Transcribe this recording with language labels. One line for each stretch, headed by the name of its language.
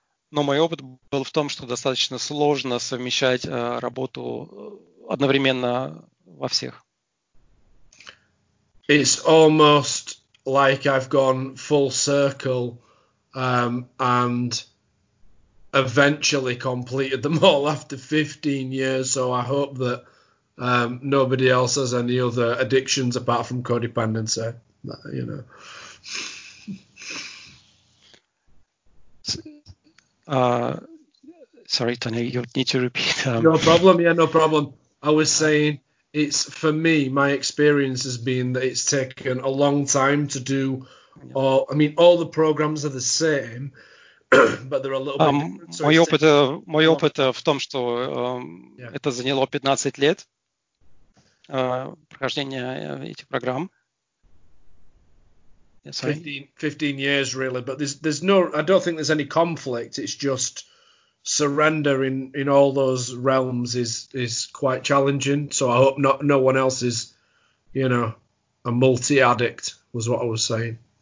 Russian: Но мой опыт был в том, что достаточно сложно совмещать работу одновременно во всех.
English: It's almost like I've gone full circle and eventually completed them all after 15 years. So I hope that nobody else has any other addictions apart from codependency. You know. Sorry, Tony, you need to repeat. No problem. Yeah, no problem. I was saying it's for me, my experience has been that it's taken a long time to do all, I mean, all the programs are the same, but they're a little bit different.
Russian: So мой опыт в том, что это заняло 15 лет прохождение этих программ.
English: Sorry. 15 years really, but there's no, I don't think there's any conflict. It's just surrender in all those realms is quite challenging. So I hope no one else is, you know, a multi addict was what I was saying.